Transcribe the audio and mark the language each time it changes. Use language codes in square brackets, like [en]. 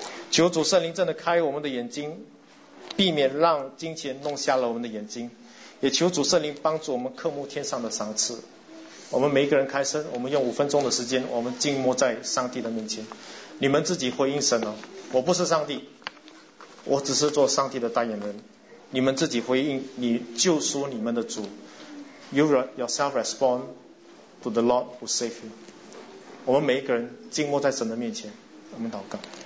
[zh] 求主圣灵真的开我们的眼睛，避免让金钱弄瞎了我们的眼睛，也求主圣灵帮助我们渴慕天上的赏赐。我们每一个人开声，我们用五分钟的时间，我们静默在上帝的面前，你们自己回应神了。我不是上帝，我只是做上帝的代言人。你们自己回应，你救赎你们的主。 [en] You yourself respond to the Lord who saved you. [zh] 我们每一个人静默在神的面前，我们祷告。